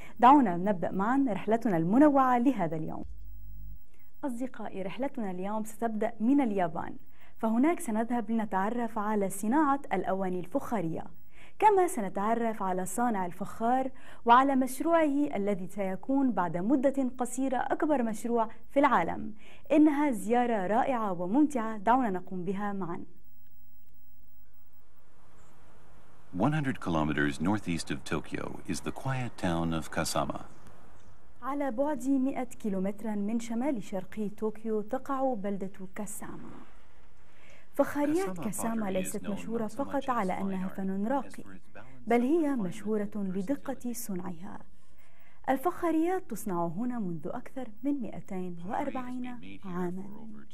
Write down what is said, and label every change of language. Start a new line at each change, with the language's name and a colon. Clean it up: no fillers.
Arabic: دعونا نبدأ معا رحلتنا المنوعة لهذا اليوم. أصدقائي، رحلتنا اليوم ستبدأ من اليابان، فهناك سنذهب لنتعرف على صناعة الأواني الفخارية، كما سنتعرف على صانع الفخار وعلى مشروعه الذي سيكون بعد مدة قصيرة أكبر مشروع في العالم. إنها زيارة رائعة وممتعة، دعونا نقوم بها معا.
English: 100 kilometers northeast of Tokyo is the quiet town of Kasama.
Arabic: على بعد 100 كيلومترا من شمال شرقي طوكيو تقع بلدة كاساما. فخاريات كاساما ليست مشهورة فقط على أنها فن راقي، بل هي مشهورة لدقة صنعها. الفخاريات تصنع هنا منذ أكثر من 240 عاما.